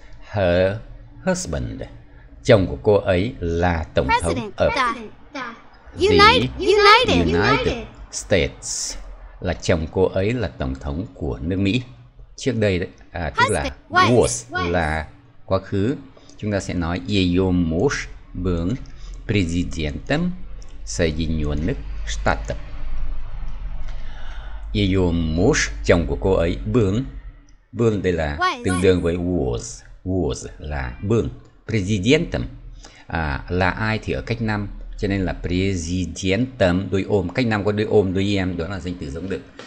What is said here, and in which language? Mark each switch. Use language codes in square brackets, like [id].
[en] Her husband, [vi] chồng của cô ấy là tổng thống ở [en] United States. [vi] Là chồng cô ấy là tổng thống của nước Mỹ. Trước đây đấy, tức là was là quá khứ. Chúng ta sẽ nói [ru] её муж был президентом Соединённых Штатов. Её муж, [vi] chồng của cô ấy, был đây là tương đương với was là [ru] был президентом. [vi] Là ai thì ở cách năm, cho nên là президентом đuôi ôm, cách năm có đuôi ôm đuôi em, đó là danh từ giống đực.